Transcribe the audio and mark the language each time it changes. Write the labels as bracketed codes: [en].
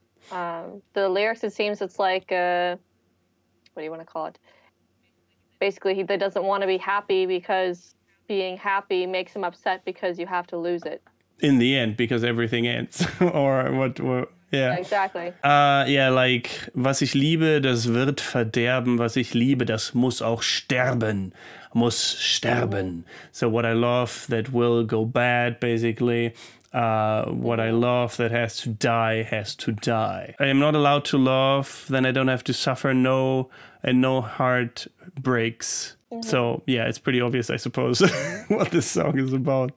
[en] The lyrics, it seems it's like, what do you want to call it? Basically, he doesn't want to be happy because being happy makes him upset because you have to lose it. In the end, because everything ends. Or what... Yeah, exactly. [de] Like, was ich liebe, das wird verderben. Was ich liebe, das muss auch sterben. Muss sterben. [en] So what I love, that will go bad, basically. What I love, that has to die, has to die. I am not allowed to love, then I don't have to suffer. No, and no heart breaks. Mm-hmm. So, yeah, it's pretty obvious, I suppose, what this song is about.